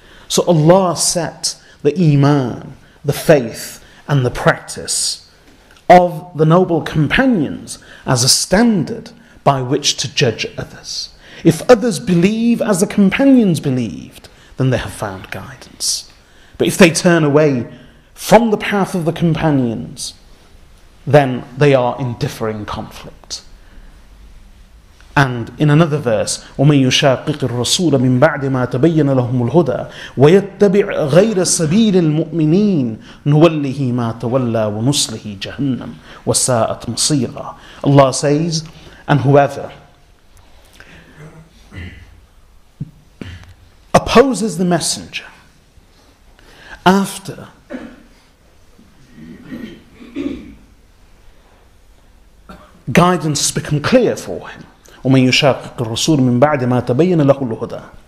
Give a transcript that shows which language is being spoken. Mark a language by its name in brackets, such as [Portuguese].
[English] So Allah set the iman, the faith, and the practice of the noble companions as a standard by which to judge others. If others believe as the companions believed, then they have found guidance. But if they turn away from the path of the companions, then they are in differing conflict. And in another verse, [Arabic] وَمَنْ يُشَاقِقِ الرَّسُولَ مِنْ بَعْدِ مَا تَبَيَّنَ لَهُمُ الْهُدَىٰ وَيَتَّبِعْ غَيْرَ سَبِيلِ الْمُؤْمِنِينَ نُوَلِّهِ مَا تَوَلَّىٰ وَنُصْلِهِ جَهَنَّمْ وَسَاءَتْ مَصِيرًا. [English] Allah says, and whoever opposes the messenger after guidance has become clear for him, [Arabic] وَمَنْ يُشَاقِقِ الرَّسُولَ مِنْ بَعْدِ مَا تَبَيَّنَ لَهُ الْهُدَىٰ,